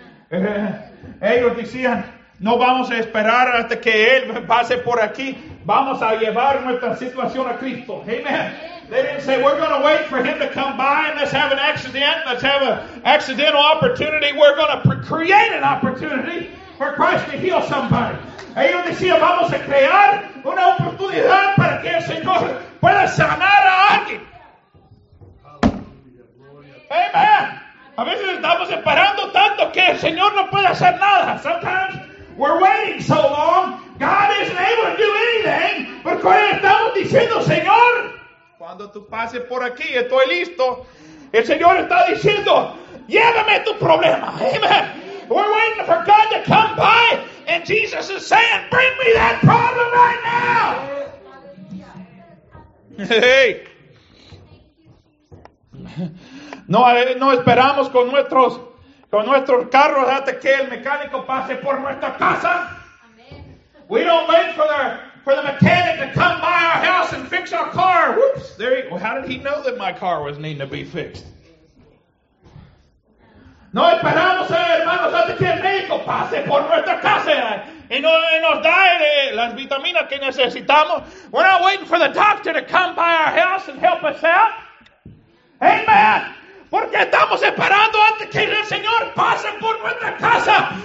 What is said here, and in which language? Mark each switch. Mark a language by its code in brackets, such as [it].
[es] Ellos decían, no vamos a esperar hasta que Él pase por aquí. Vamos a llevar nuestra situación a Cristo. Amen. [en] They didn't say, we're going to wait for Him to come by and let's have an accident. Let's have an accidental opportunity. We're going to create an opportunity for Christ to heal somebody. [es] Ellos decían, vamos a crear una oportunidad para que el Señor pueda sanar a alguien. Amen. A veces estamos esperando tanto que el Señor no puede hacer nada. [en] Sometimes we're waiting so long, God isn't able to do anything. [es] Por cuando estamos diciendo, Señor, cuando tú pases por aquí, estoy listo. El Señor está diciendo, llévame tu problema. Amen. [en] We're waiting for God to come by, and Jesus is saying, bring me that problem right now. Hey. [es] No esperamos con nuestros carros hasta que el mecánico pase por nuestra casa. Amen. [en] We don't wait for the mechanic to come by our house and fix our car. Whoops! There he, well, how did he know that my car was needing to be fixed? [es] No esperamos, hermanos, hasta que el médico pase por nuestra casa y nos da las vitaminas que necesitamos. [en] We're not waiting for the doctor to come by our house and help us out. Amen. [es] Porque estamos esperando antes que el Señor pase por nuestra casa.